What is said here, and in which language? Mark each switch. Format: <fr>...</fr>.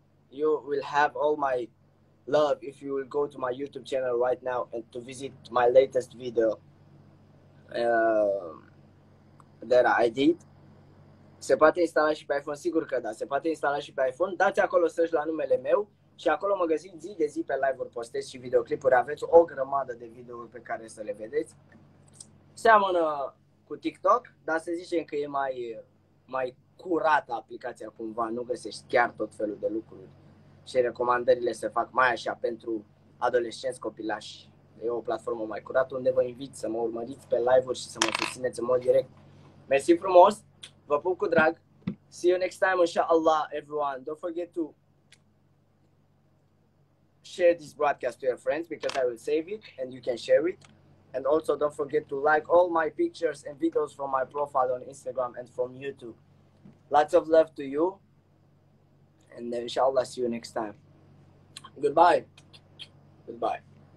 <en>You will have all my love if you will go to my YouTube channel right now and to visit my latest video that I did.</en> <ro>Se poate instala și pe iPhone? Sigur că da, se poate instala și pe iPhone. Dați acolo search la numele meu și acolo mă găsiți zi de zi pe live-uri, postez și videoclipuri. Aveți o grămadă de videouri pe care să le vedeți. Seamănă cu TikTok, dar să zicem că e mai curată aplicația cumva, nu găsești chiar tot felul de lucruri și recomandările se fac mai așa pentru adolescenți, copilași. E o platformă mai curată unde vă invit să mă urmăriți pe live-uri și să mă susțineți în mod direct. Mersi frumos, vă pup cu drag.</ro> <en>See you next time, inshallah, everyone. Don't forget to share this broadcast to your friends because I will save it and you can share it. And also don't forget to like all my pictures and videos from my profile on Instagram and from YouTube. Lots of love to you. And inshallah, see you next time. Goodbye. Goodbye.</en>